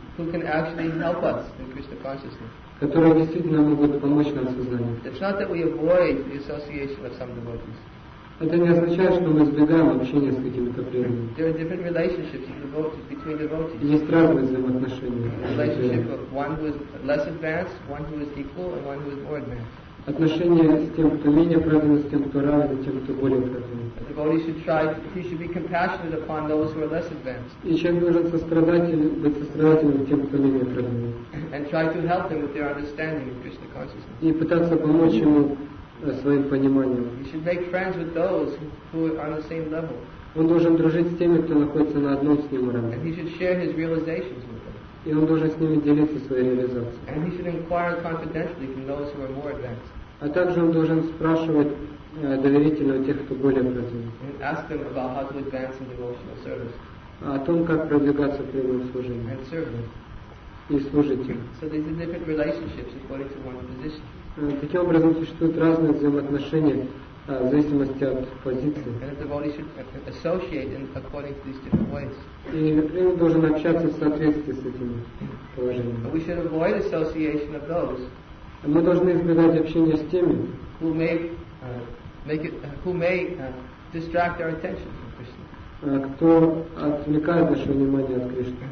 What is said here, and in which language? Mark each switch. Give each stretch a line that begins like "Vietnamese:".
English: who can actually help us in Krishna consciousness.
Russian: Которые действительно могут помочь нам в сознании.
English: It's not that we avoid the association with some devotees.
Russian: Это не означает, что мы избегаем общения с какими-то преданными.
English: There are different relationships between devotees.
Russian: Есть разные взаимоотношения.
English: Relationship of one who is less advanced, one who is equal, and one who is more advanced.
Russian: отношения с тем, кто менее праведен, с тем, кто равен, и тем, кто более праведен.
English: He should be compassionate upon those who are less advanced.
Russian: И человек должен быть сострадательным тем, кто менее праведен.
English: And try to help them with their understanding of Krishna consciousness.
Russian: И пытаться помочь ему своим пониманием.
English: He should make friends with those who are on the same level.
Russian: Он должен дружить с теми, кто находится на одном с ним уровне.
English: And he should share his realizations with them.
Russian: И он должен с ними делиться своей реализацией.
English: And he should inquire confidentially from those who are more advanced.
Russian: А также он должен спрашивать доверительно у тех, кто более праведен.
English: And ask them about how to advance in devotional service.
Russian: О том, как продвигаться при его служении.
English: And serve them.
Russian: И служить им.
English: So there's a different relationships according to one position.
Russian: Таким образом существуют разные взаимоотношения в зависимости от позиции.
English: And the devotee should associate in according to these different ways.
Russian: И преданный должен общаться в соответствии с этими положениями.
English: But we should avoid association of those.
Russian: Мы должны избегать общения с теми,
English: who may distract our attention from Krishna.
Russian: Кто отвлекает наше внимание от Кришны.